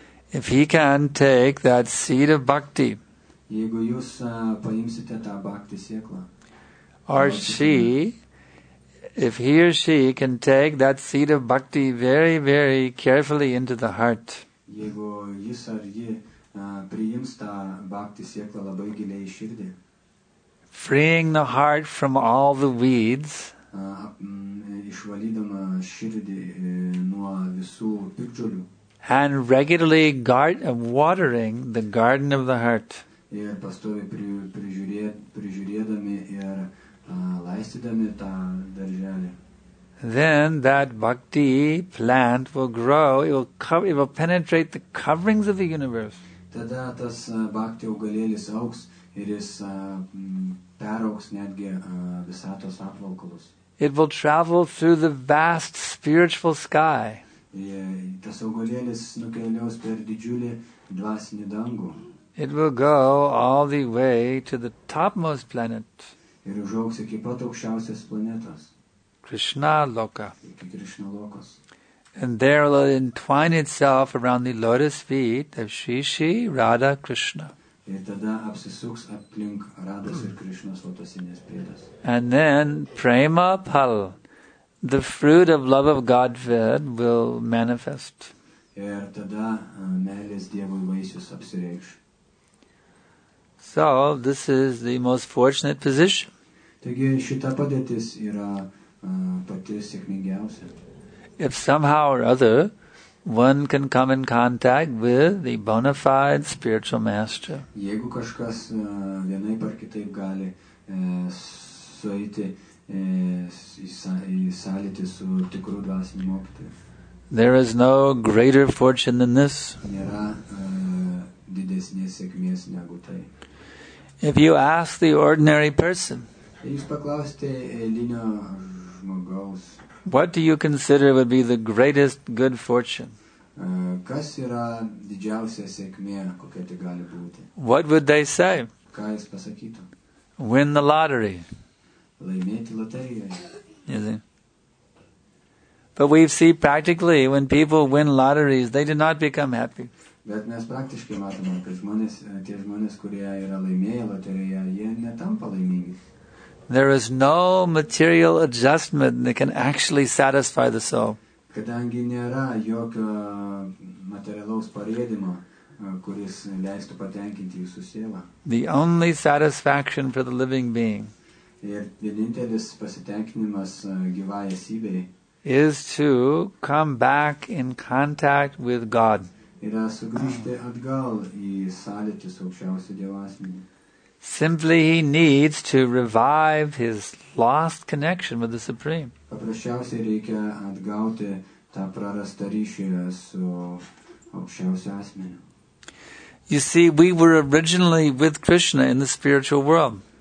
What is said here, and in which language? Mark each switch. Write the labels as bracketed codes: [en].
[en] If he can take that seed of bhakti, [lt] jeigu jūs paimsite tą bhakti sėklą, [en] or she, if he or she can take that seed of bhakti very, very carefully into the heart, [lt] jeigu jis ar ji priims tą bhakti sėklą labai giliai į širdį, [en] freeing the heart from all the weeds, [lt] išvalydama širdį nuo visų piktžolių, [en] and regularly watering the garden of the heart. [lt] Ir pastoviai prižiūrėdami ir laistydami tą darželį. [en] Then that bhakti plant will grow, it will penetrate the coverings of the universe. [lt] Tada tas bhakti augalėlis augs ir jis peraugs netgi visatos apvalkalus. [en] It will travel through the vast spiritual sky. [lt] Tas augalėlis nukeliaus per didžiulį dvasinį dangų. [en] It will go all the way to the topmost planet. [lt] Ir užaugs iki pat aukščiausios planetos. [en] Krishna loka. [lt] Iki Krishna lokos. [en] And there will entwine itself around the lotus feet of Shri Radha Krishna. [lt] Ir tada apsisuks aplink Radhas ir Krishnas lotosinės pėdas. [en] And then prema phal, the fruit of love of Godhead, will manifest. [lt] Ir tada meilės Dievui vaisius apsireikš. [en] So this is the most fortunate position. [lt] Taigi šita padėtis yra pati sėkmingiausia. [en] If somehow or other one can come in contact with the bona fide spiritual master. [lt] Jeigu kažkas vienaip ar kitaip gali sueiti į sąlytį su tikru dvasiniu mokytoju. [en] There is no greater fortune than this. [lt] Nėra didesnės sėkmės negu tai. [en] If you ask the ordinary person, [lt] jūs paklausite eilinio žmogaus, [en] what do you consider would be the greatest good fortune? [lt] Kas yra didžiausia sėkmė, kokia tai gali būti? [en] What would they say? [lt] Ką jis pasakytų? [en] Win the lottery. [lt] Laimėti loterijoje. [en] You see? But we see practically when people win lotteries, they do not become happy. [lt] Bet mes praktiškai matome, kad tie žmonės, kurie yra laimėję loteriją, jie netampa laimingi. [en] There is no material adjustment that can actually satisfy the soul. [lt] Kadangi nėra jokio materialaus parėdimo, kuris leistų patenkinti jūsų sielą. [en] The only satisfaction for the living being. [lt] Ir vienintelis pasitenkinimas gyvai esybei [en] is to come back in contact with God. [lt] Yra sugrįžti atgal į sąlytį su aukščiausiu Dievo asmeniu. [en] Simply he needs to revive his lost connection with the Supreme. [lt] Paprasčiausiai reikia atgauti tą prarastą ryšį su aukščiausiu asmeniu. [en] You see, we were originally with Krishna in the spiritual world.